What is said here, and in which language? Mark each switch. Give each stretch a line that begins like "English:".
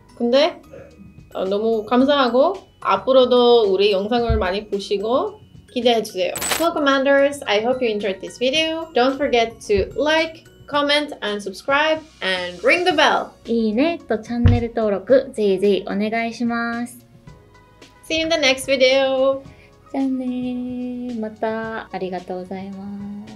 Korean: 근데 어, 너무 감사하고 앞으로도 우리 영상을 많이 보시고 기대해 주세요.
English: So commanders, I hope you enjoyed this video. Don't forget to like, comment and subscribe and ring the bell.
Japanese: いいねとチャンネル登録ぜひぜひお願いします。
English: See you in the next video.
Japanese: じゃあね。またありがとうございます。